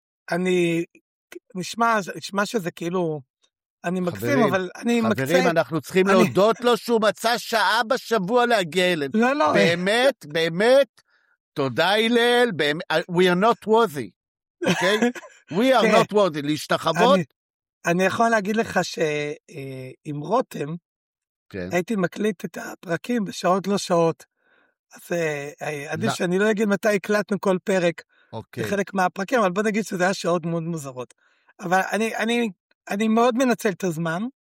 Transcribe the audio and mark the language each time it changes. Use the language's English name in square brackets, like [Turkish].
[Hebrew] אני נשמע שזה כאילו אני מקסים, אבל אני מקצה... חברים, אנחנו צריכים להודות לו שהוא מצא שעה בשבוע להגיע אליהם. לא, לא. באמת, באמת, תודה אילל, [English] we are not worthy, [Hebrew] אוקיי? [English] We are not worthy, [Hebrew] להשתחוות. אני יכול להגיד לך שעם רותם, הייתי מקליט את הפרקים בשעות לא שעות, אז עדיף שאני לא אגיד מתי הקלטנו כל פרק, בחלק מהפרקים, אבל בוא נגיד שזה היה שעות מאוד מוזרות. אבל אני מאוד מנצל את הזמן.